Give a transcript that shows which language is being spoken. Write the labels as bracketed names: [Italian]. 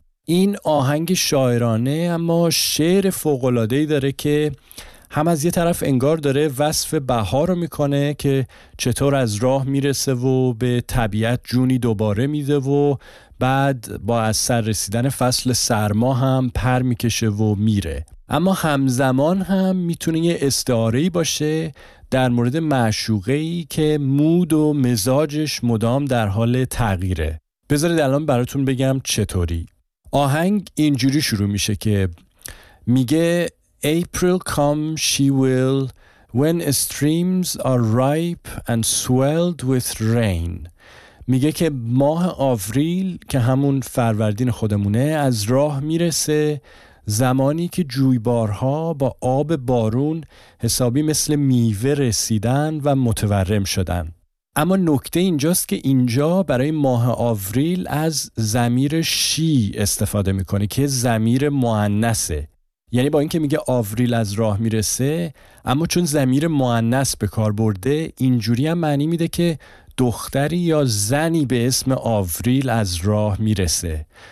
[Persian] این آهنگ شاعرانه اما شعر فوق‌العاده‌ای داره که هم از یه طرف انگار داره وصف بهار رو میکنه که چطور از راه میرسه و به طبیعت جونی دوباره میده و بعد با از سر رسیدن فصل سرما هم پر میکشه و میره، اما همزمان هم میتونه یه استعاره‌ای باشه در مورد معشوقه‌ای که مود و مزاجش مدام در حال تغییره. بذارید الان براتون بگم چطوری. آهنگ اینجوری شروع میشه که میگه [English] April come she will when streams are ripe and swelled with rain. [Persian] میگه که ماه آوریل که همون فروردین خودمونه از راه میرسه زمانی که جویبارها با آب بارون حسابی مثل میوه رسیدن و متورم شدن. اما نکته اینجاست که اینجا برای ماه آوریل از ضمیر شی استفاده میکنه که ضمیر مؤنثه، یعنی با اینکه میگه آوریل از راه میرسه اما چون ضمیر مؤنث به کار برده اینجوری هم معنی میده که دختری یا زنی به اسم آوریل از راه میرسه.